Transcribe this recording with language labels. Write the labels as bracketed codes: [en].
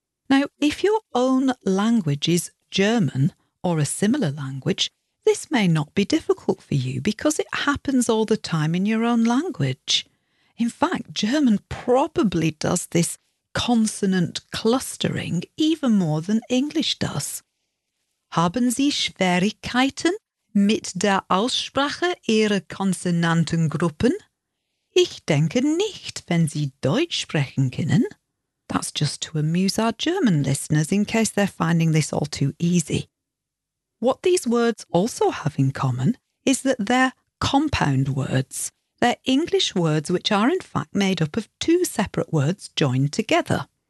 [en] Now, if your own language is German or a similar language, this may not be difficult for you because it happens all the time in your own language. In fact, German probably does this consonant clustering even more than English does. [de] Haben Sie Schwierigkeiten mit der Aussprache Ihrer Konsonantengruppen? Ich denke nicht, wenn Sie Deutsch sprechen können. [en] That's just to amuse our German listeners in case they're finding this all too easy. What these words also have in common is that they're compound words. They're English words which are in fact made up of two separate words joined together.